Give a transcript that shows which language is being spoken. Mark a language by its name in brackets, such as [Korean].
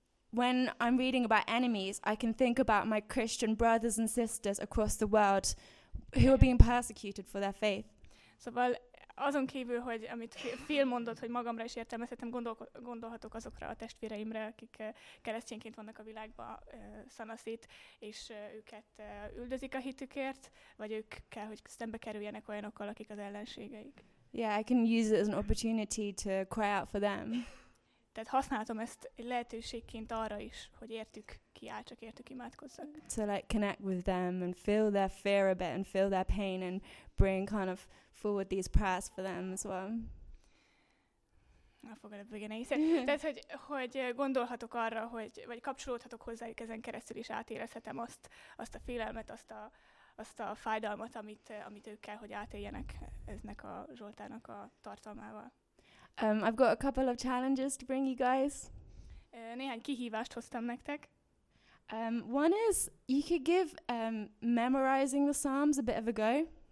[English] when I'm reading about enemies, I can think about my Christian brothers and sisters across the world who are being persecuted for their faith. [Hungarian] Szóval azon kívül, hogy amit Phil mondott, hogy magamra is értelmezhetem, gondolhatok azokra a testvéreimre, akik keresztényként vannak a világban, szanaszét, és őket üldözik a hitükért, vagy ők kell, hogy szembe kerüljenek olyanokkal, akik az ellenségeik. [English] Yeah, I can use it as an opportunity to cry out for them. [Hungarian] Tehát használtam ezt egy lehetőségként arra is, hogy értük kiáltsak, értük imádkozzak. [English] To like connect with them and feel their fear a bit and feel their pain and bring kind of forward these prayers for them as well. [Hungarian] Elfogadott bőgéne hiszen. Tehát, hogy gondolhatok arra, hogy, vagy kapcsolódhatok hozzájuk ezen keresztül is, átérezhetem azt a félelmet, azt a fájdalmat, amit ők kell, hogy átéljenek eznek a Zsoltának a tartalmával. [English] I've got a couple of challenges to bring you guys. [Hungarian] Néhány kihívást hoztam nektek. [English] One is, you could give memorizing the Psalms a bit of a go.